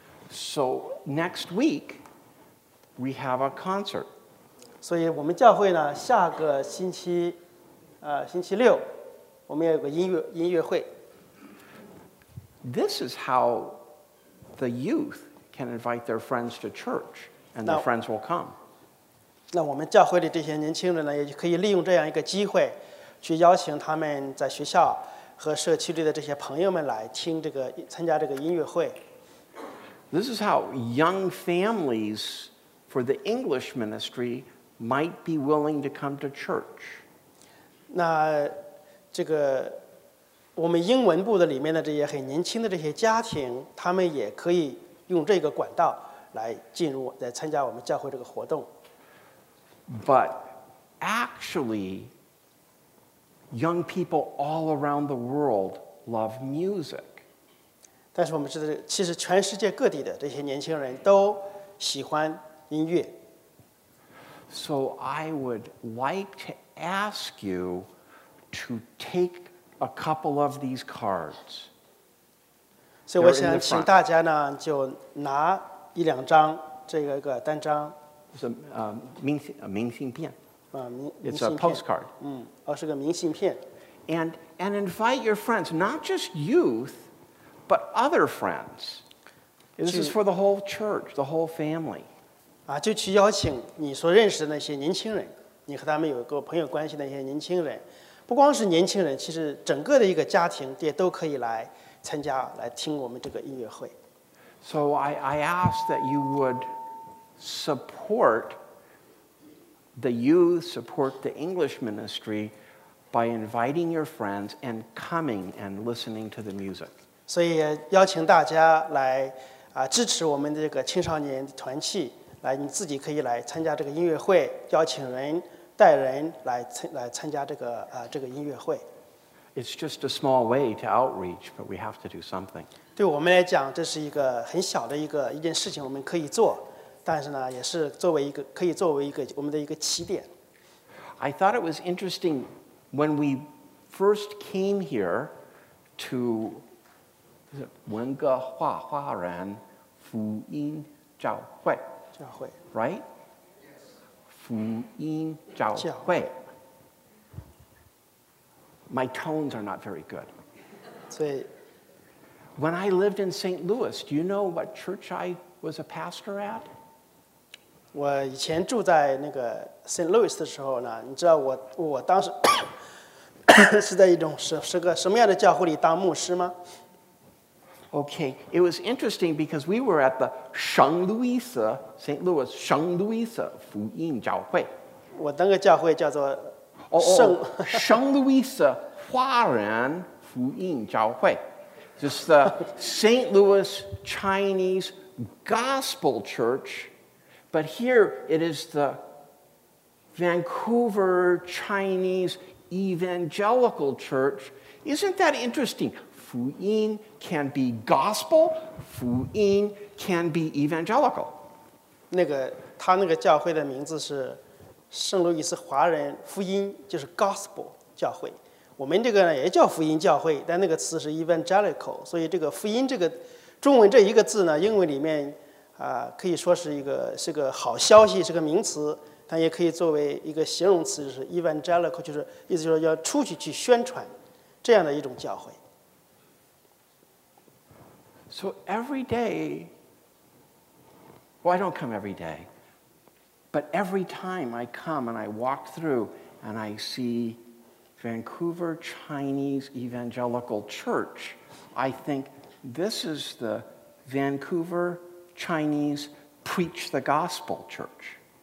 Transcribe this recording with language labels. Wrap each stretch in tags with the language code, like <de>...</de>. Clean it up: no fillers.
<en>So next week we have a concert.</en> <zh>所以我们教会呢，下个星期，星期六，我们要有个音乐会。</zh> <en>This is how the youth can invite their friends to church, and their friends will come.</en> <zh>那我们教会的这些年轻人呢，也可以利用这样一个机会，去邀请他们在学校和社区里的这些朋友们来听这个参加这个音乐会。</zh> <en>This is how young families for the English ministry might be willing to come to church.</en> <zh>那这个我们英文部的里面的这些很年轻的这些家庭，他们也可以用这个管道来进入，来参加我们教会这个活动。</zh> <en>But actually, young people all around the world love music.</en> <zh>但是我们知道，其实全世界各地的这些年轻人都喜欢音乐。</zh> <en>So I would like to ask you to take a couple of these cards.</en> <zh>所以我想请大家呢，就拿一两张这个一个单张。</zh> <en>It's a</en> <zh>明信片。</zh> <en>It's a postcard.</en> <zh>是个明信片。</zh> <en>And invite your friends, not just youth. But other friends. This is for the whole church, the whole family.</en> <zh>就去邀请你所认识的那些年轻人，你和他们有个朋友关系的那些年轻人，不光是年轻人，其实整个的一个家庭也都可以来参加，来听我们这个音乐会。</zh> <en>So I ask that you would support the youth, support the English ministry by inviting your friends and coming and listening to the music.</en> <zh>所以邀请大家来支持我们的这个青少年团契，来你自己可以来参加这个音乐会，邀请人带人来参加这个这个音乐会。</zh> <en>It's just a small way to outreach, but we have to do something.</en> <zh>对我们来讲，这是一个很小的一件事情，我们可以做，但是呢，也是作为一个我们的一个起点。</zh> <en>I thought it was interesting when we first came here to.</en> <zh>文革化华人福音教会，教会，</zh> <en>right？</en> <zh>福音教会。教会。</zh> <en>My tones are not very good.</en> <zh>所以</zh> <en>，When I lived in St. Louis, do you know what church I was a pastor at？</en> <zh>我以前住在那个 St. Louis 的时候呢，你知道我当时是在一种是个什么样的教会里当牧师吗？</zh> <en>Okay, it was interesting because we were at the Sheng Luisa, St.</en> <zh>Louis, Sheng Luisa 福音教会。我那个教会叫做 Sheng Luisa 华人福音教会。</zh> <en>It's the St. Louis Chinese Gospel Church, but here it is the Vancouver Chinese Evangelical Church. Isn't that interesting? 福音 can be gospel, 福音 can be evangelical.</en> <zh>那个他那个教会的名字是圣路易斯华人福音，就是 gospel 教会。我们这个呢也叫福音教会，但那个词是 evangelical， 所以这个福音这个中文这一个字呢，英文里面可以说是个好消息，是个名词，但也可以作为一个形容词，就是 evangelical， 就是意思就是要出去宣传这样的一种教会。</zh> <en>So every day, well, I don't come every day, but every time I come and I walk through and I see Vancouver Chinese Evangelical Church, I think this is the Vancouver Chinese Preach the Gospel Church.</en>